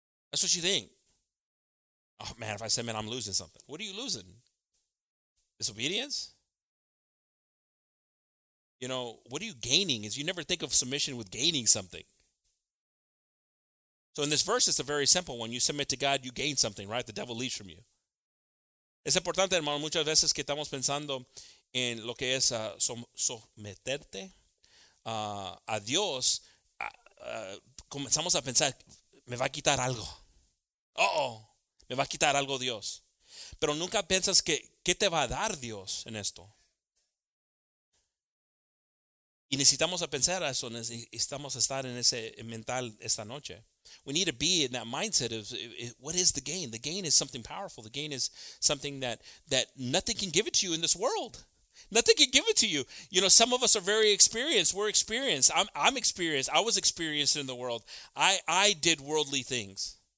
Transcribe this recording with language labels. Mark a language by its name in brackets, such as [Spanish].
[English] That's what you think. Oh, man, if I submit, I'm losing something. What are you losing? Disobedience? You know, what are you gaining? Is you never think of submission with gaining something. So in this verse, it's a very simple one. You submit to God, you gain something, right? The devil leaves from you. [Spanish] Es importante, hermano, muchas veces que estamos pensando en lo que es someterte. A Dios, comenzamos a pensar, me va a quitar algo. Uh-oh, me va a quitar algo Dios. Pero nunca piensas que, ¿qué te va a dar Dios en esto? Y necesitamos a pensar eso, necesitamos estar en ese mental esta noche. [English] We need to be in that mindset of, what is the gain? The gain is something powerful. The gain is something that nothing can give it to you in this world. Nothing can give it to you. You know, some of us are very experienced. We're experienced. I'm experienced. I was experienced in the world. I did worldly things.